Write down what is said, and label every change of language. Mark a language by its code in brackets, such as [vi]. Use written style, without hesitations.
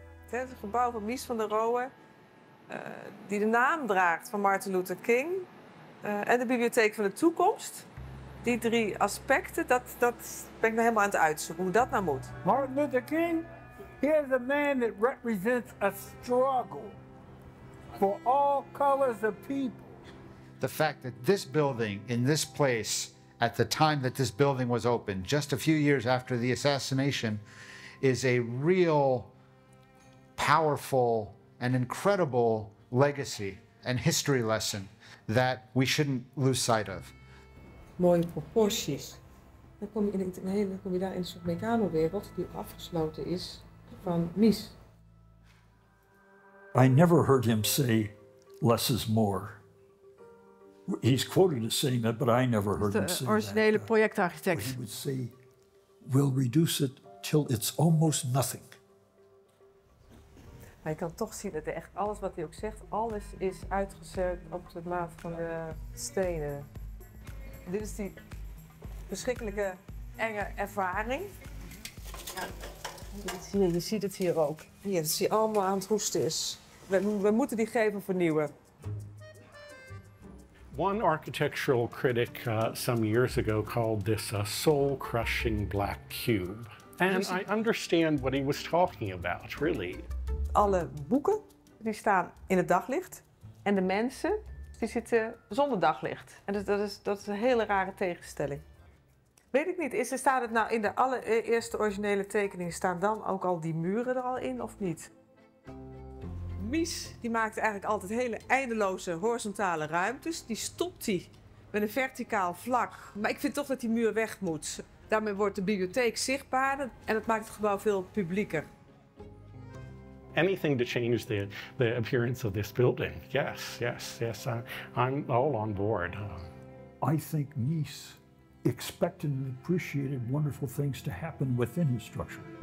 [nl] Het gebouw van Mies van der Rohe, die de naam draagt van Martin Luther King. En de bibliotheek van de toekomst. Die drie aspecten, dat ben ik nou helemaal aan het uitzoeken, hoe dat nou moet. [en] Martin Luther King, he is a man that represents a struggle for all colors of people. The fact that this building, in this place, at the time that this building was opened, just a few years after the assassination, is a real powerful and incredible legacy and history lesson that we shouldn't lose sight of. [nl] Mooie proporties. Dan kom je in een hele, dan kom je daar in een soort mechanowereld die afgesloten is van Mies. [en] I never heard him say less is more. He's quoted as saying that, but I never heard him say that. [nl] De originele projectarchitect. [en] He would say, we'll reduce it till it's almost nothing. [nl] Maar je kan toch zien dat echt alles wat hij ook zegt, alles is uitgezet op de maat van de stenen. Dit is die verschrikkelijke enge ervaring. Ja, je ziet het hier ook. Ja, dat hij allemaal aan het roesten is. We moeten die gevel vernieuwen. [en] One architectural critic some years ago called this a soul-crushing black cube. And I understand what he was talking about, really. [nl] Alle boeken die staan in het daglicht en de mensen die zitten zonder daglicht. En dat is een hele rare tegenstelling. Weet ik niet, staat het nou in de allereerste originele tekening, staan dan ook al die muren er al in of niet? Mies die maakte eigenlijk altijd hele eindeloze horizontale ruimtes. Die stopt hij met een verticaal vlak. Maar ik vind toch dat die muur weg moet. Daarmee wordt de bibliotheek zichtbaarder en dat maakt het gebouw veel publieker. [en] Anything to change the appearance of this building. Yes. I'm all on board. I think Mies expected and appreciated wonderful things to happen within his structure.